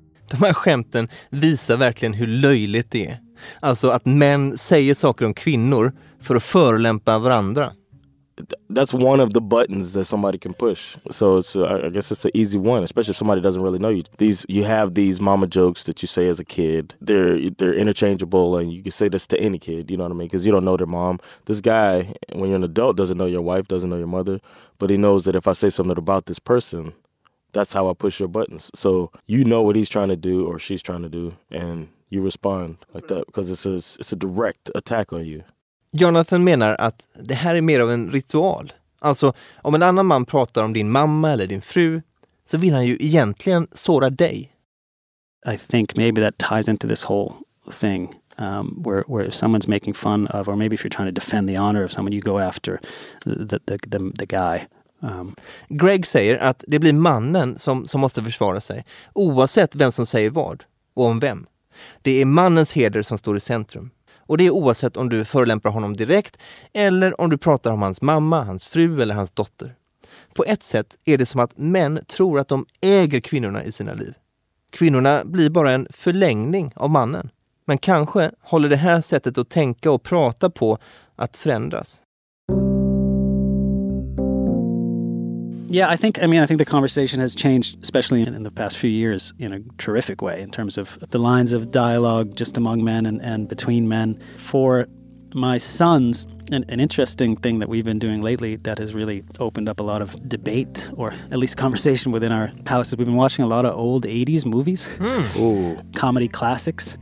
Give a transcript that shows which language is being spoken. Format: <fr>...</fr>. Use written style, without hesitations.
<sv>De här skämten visar verkligen hur löjligt det är. Alltså att män säger saker om kvinnor för att förolämpa varandra.</sv> <en>That's one of the buttons that somebody can push. So it's, I guess it's an easy one, especially if somebody doesn't really know you. You have these mama jokes that you say as a kid. They're interchangeable, and you can say this to any kid, you know what I mean? Because you don't know their mom. This guy, when you're an adult, doesn't know your wife, doesn't know your mother. But he knows that if I say something about this person, that's how I push your buttons. So you know what he's trying to do or she's trying to do, and you respond like that because it's a direct attack on you.</en> <sv>Jonathan menar att det här är mer av en ritual. Alltså, om en annan man pratar om din mamma eller din fru, så vill han ju egentligen såra dig.</sv> <en>I think maybe that ties into this whole thing where if someone's making fun of, or maybe if you're trying to defend the honor of someone, you go after the guy.</en> <sv>Greg säger att det blir mannen som måste försvara sig, oavsett vem som säger vad och om vem. Det är mannens heder som står i centrum. Och det är oavsett om du förelämpar honom direkt eller om du pratar om hans mamma, hans fru eller hans dotter. På ett sätt är det som att män tror att de äger kvinnorna i sina liv. Kvinnorna blir bara en förlängning av mannen. Men kanske håller det här sättet att tänka och prata på att förändras.</sv> <en>Yeah, I think the conversation has changed, especially in the past few years, in a terrific way in terms of the lines of dialogue just among men and between men. For my sons, an interesting thing that we've been doing lately that has really opened up a lot of debate or at least conversation within our house is we've been watching a lot of old 80s movies, comedy classics.</en>